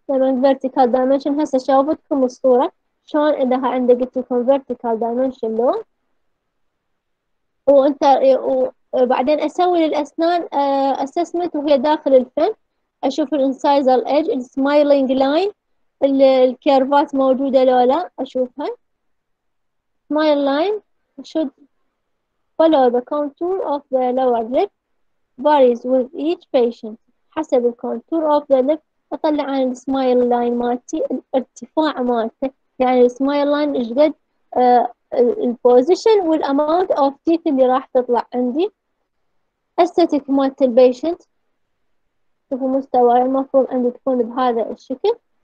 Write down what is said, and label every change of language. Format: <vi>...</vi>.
<ar>لما الـ vertical dimension هسه شوفتكم الصورة، شلون إذا عندك تكون vertical dimension لون، وأنت وبعدين أسوي للأسنان assessment وهي داخل الفم، أشوف الـ incisal edge، الـ smiling line، الكيرفات موجودة لو لا، أشوفها.</ar> <en>Smile line should follow the contour of the lower lip varies with each patient.</en> <ar>حسب ال</ar> <en>contour of the lip</en> <ar>أطلع عن ال smile line مالتي الارتفاع مالته، يعني ال smile line إيش قد ال position وال</ar> <en>amount of teeth</en> <ar>اللي راح تطلع عندي. Aesthetic مالت ال patient شوفوا مستواه المفروض عندي تكون بهذا الشكل.</ar>